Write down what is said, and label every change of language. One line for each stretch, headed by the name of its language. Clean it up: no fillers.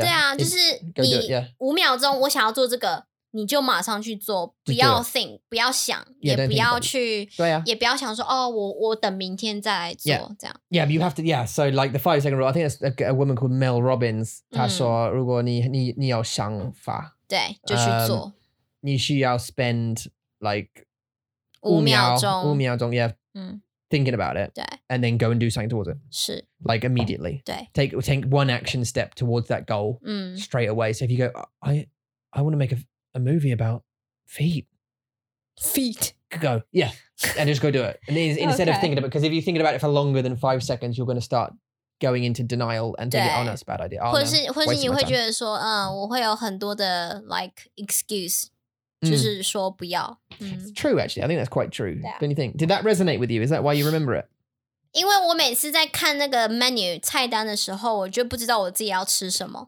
Chinese: 对啊，就是你五秒钟，我想要做这个，你就马上去做，不要 think， 不要想，也不要去，对啊，也不要想说哦，我等明天再来做这样。
English: Yeah, but you have to. Yeah, so like the 5 second rule. I think it's a woman called Mel Robbins.
Chinese: 她说，如果你有想法，对，就去做。你需要
English: spend like
Chinese: 五秒钟
English: ，yeah. 嗯。 Thinking about it, and then go and do something towards it.
Chinese: 是
English: like immediately.
Chinese: 对
English: take one action step towards that goal straight away. So if you go, I want to make a movie about feet. Go, yeah, and just go do it. And instead of thinking about it, because if you're thinking about it for longer than 5 seconds, you're going to start going into denial and thinking, oh, no, it's a bad idea.
Chinese: 或是你会觉得说，嗯，我会有很多的
English: like excuse.
Chinese: 就是说不要。
English: It's true, actually. I think that's quite true. Yeah. Don't you think? Did that resonate with you? Is that why you remember it?
Chinese: 因为我每次在看那个 menu 菜单的时候，我就不知道我自己要吃什么。